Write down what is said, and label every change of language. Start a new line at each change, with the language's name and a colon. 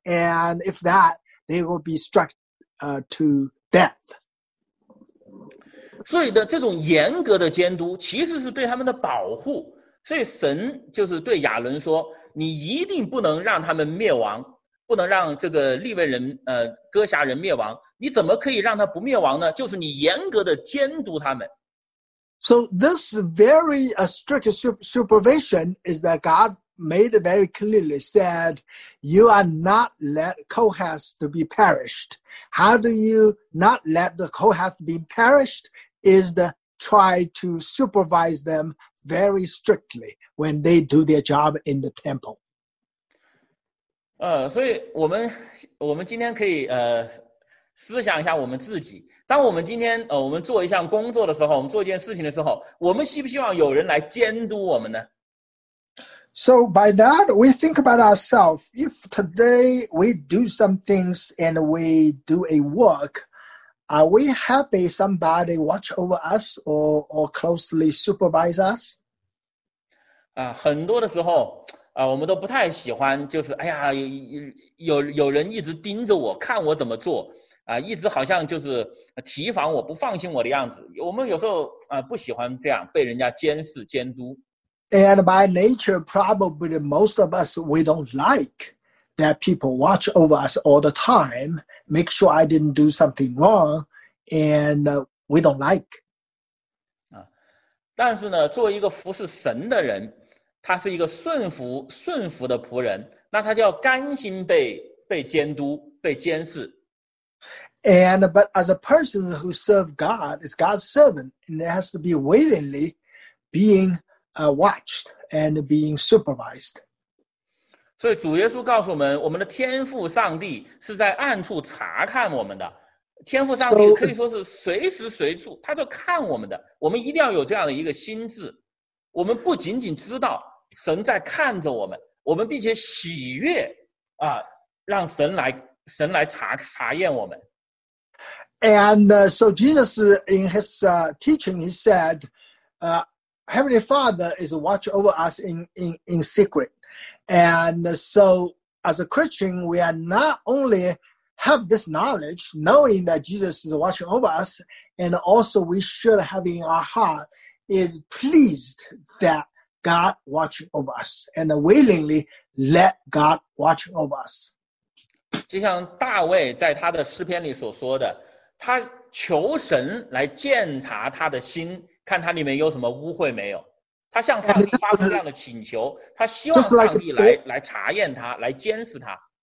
English: And if that, they will be struck to death.
Chinese: 所以的这种严格的监督其实是对他们的保护。所以神就是对亚伦说，你一定不能让他们灭亡，不能让这个利未人歌辖人灭亡。你怎么可以让他不灭亡呢？就是你严格的监督他们。
English: So this very strict supervision is that God made it very clearly, said, you are not let Kohath to be perished. How do you not let the Kohath be perished? Is the try to supervise them very strictly when they do their job in the temple.
Chinese: 所以我们今天可以思想一下我们自己。当我们今天我们做一项工作的时候，我们做一件事情的时候，我们希不希望有人来监督我们呢？
English: So by that, we think about ourselves. If today we do some things and we do a work, are we happy somebody watch over us or closely supervise us?
Chinese: 很多的时候我们都不太喜欢，就是哎呀，有人一直盯着我，看我怎么做。一直好像就是提防我，不放心我的样子。我们有时候不喜欢这样被人家监视监督。
English: And by nature, probably most of us, we don't like that people watch over us all the time, make sure I didn't do something wrong, and we don't like.
Chinese: 但是呢，作为一个服侍神的人，他是一个顺服的仆人，那他就要甘心被监督，被监视。
English: But as a person who serves God, is God's servant, and it has to be willingly being watched and being supervised.
Chinese: 所以主耶稣告诉我们，我们的天父上帝是在暗处查看我们的。天父上帝可以说是随时随处，他都看我们的。我们一定要有这样的一个心智，我们不仅仅知道神在看着我们，我们并且喜悦让神来查验我们。
English: And so Jesus, in his teaching, he said, Heavenly Father is watch over us in secret. And so as a Christian, we are not only have this knowledge, knowing that Jesus is watching over us, and also we should have in our heart is pleased that God watching over us, and willingly let God watch over us.
Chinese: 就像大卫在他的诗篇里所说的，他求神来检查他的心，看他里面有什么污秽没有。他向上帝发出这样的请求，他希望上帝来查验他，来监视他。